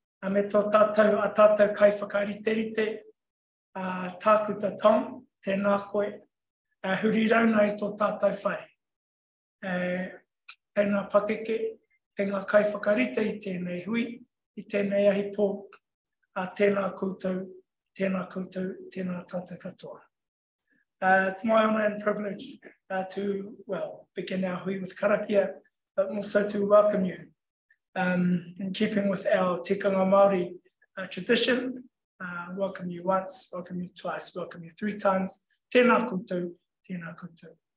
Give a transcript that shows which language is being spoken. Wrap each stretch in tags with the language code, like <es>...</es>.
<mi>Me tō tātou a tātou kai whakariterite, tāku ta tong, tēnā koe, huri rauna I tō tātou whare. Hei ngā pakeke, hei ngā kai whakarite I tēnei hui, I tēnei ahi pō, tēnā koutou, tēnā koutou, tēnā tātou katoa.</mi> <en>It's my honour and privilege to, well, begin our hui with karakia, but also to welcome you. In keeping with our tikanga Māori tradition, welcome you once, welcome you twice, welcome you three times.</en> <mi>Tēnā koutou, tēnā koutou.</mi>